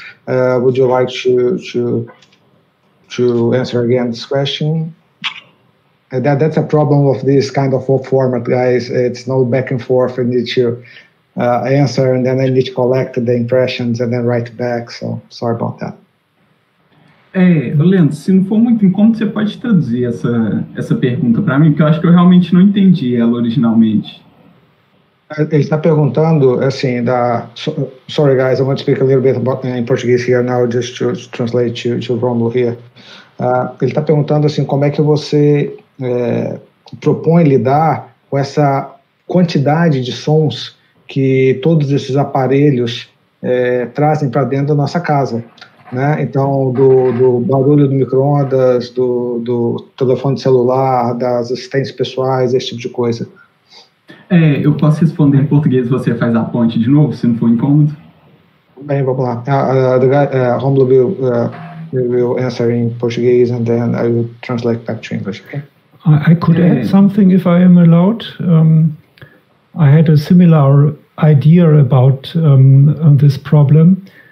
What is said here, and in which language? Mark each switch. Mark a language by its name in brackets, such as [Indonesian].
[English] Would you like to answer again this question? That's a problem of this kind of format, guys. It's no back and forth. I need to answer, and then I need to collect the impressions and then write back. So, sorry about that. [Portuguese] Leandro, se não for muito incômodo, você pode traduzir essa pergunta para mim, porque eu acho que eu realmente não entendi ela originalmente. Ele está perguntando, assim, [English] sorry, guys, I want to speak a little bit about in Portuguese here now, just to translate to Romulo here. [Portuguese] Ele está perguntando, assim, como é que você... propõe lidar com essa quantidade de sons que todos esses aparelhos trazem para dentro da nossa casa, né? Então, do barulho do micro-ondas, do telefone celular, das assistentes pessoais, esse tipo de coisa. Eu posso responder em português, você faz a ponte de novo, se não for incômodo? Bem, vamos lá. [English] Romulo will answer in Portuguese and then I will translate back to English, okay? I could add something if I am allowed. I had a similar idea about this problem.